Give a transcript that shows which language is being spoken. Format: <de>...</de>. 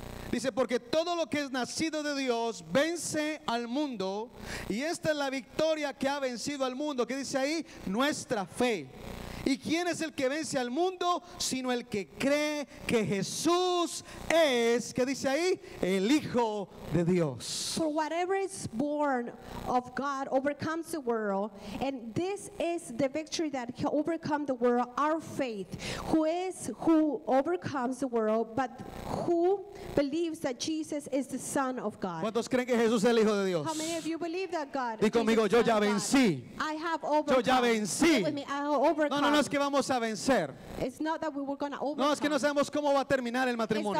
<es>Dice, porque todo lo que es nacido de Dios vence al mundo, y esta es la victoria que ha vencido al mundo. ¿Qué dice ahí? Nuestra fe. ¿Y quién es el que vence al mundo? Sino el que cree que Jesús es, ¿qué dice ahí? El Hijo de Dios.</es> <en>For whatever is born of God overcomes the world, and this is the victory that can overcome the world, our faith, who overcomes the world, but who believes that Jesus is the Son of God.</en> <es>¿Cuántos creen que Jesús es el Hijo de Dios?</es> <en>How many of you believe that God?</en> <es>Dí conmigo, yo ya vencí.</es> <en>I have overcome.</en> <es>Yo ya vencí.</es> <en>Overcome.</en> <es>No, no, no es que vamos a vencer.</es> <en>It's not that we were gonna overcome.</en> <es>No es que no sabemos cómo va a terminar el matrimonio.</es>